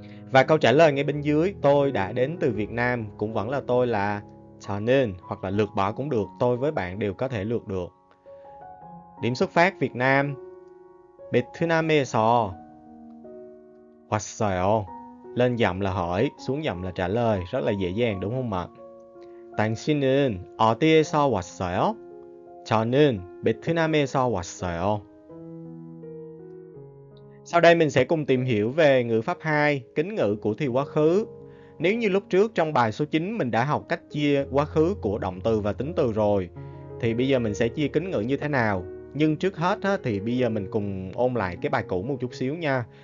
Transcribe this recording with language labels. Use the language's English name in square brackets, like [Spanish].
[Vietnamese] Và câu trả lời ngay bên dưới, tôi đã đến từ Việt Nam, cũng vẫn là tôi là 저는, hoặc là lược bỏ cũng được, tôi với bạn đều có thể lược được. Điểm xuất phát Việt Nam, [Korean] 베트남에서 왔어요. [Vietnamese] Lên giọng là hỏi, xuống giọng là trả lời, rất là dễ dàng đúng không ạ? [Korean] 당신은 어디에서 왔어요? 저는 베트남에서 왔어요. [Vietnamese] Sau đây mình sẽ cùng tìm hiểu về ngữ pháp 2, kính ngữ của thì quá khứ. Nếu như lúc trước trong bài số 9 mình đã học cách chia quá khứ của động từ và tính từ rồi, thì bây giờ mình sẽ chia kính ngữ như thế nào? Nhưng trước hết thì bây giờ mình cùng ôn lại cái bài cũ một chút xíu nha.